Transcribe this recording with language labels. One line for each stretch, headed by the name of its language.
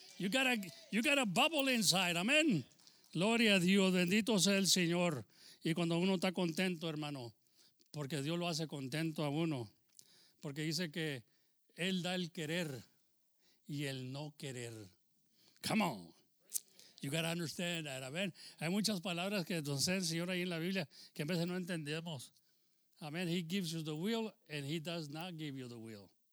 English: You got a bubble inside,
Spanish: amén. Gloria a Dios, bendito sea el Señor. Y cuando uno está contento, hermano, porque Dios lo hace contento a uno, porque dice que Él da el querer y el no querer.
English: Come on, you got to understand that, amén.
Spanish: Hay muchas palabras que nos dice el Señor ahí en la Biblia que a veces no entendemos.
English: Amén, He gives you the will and He does not give you the will.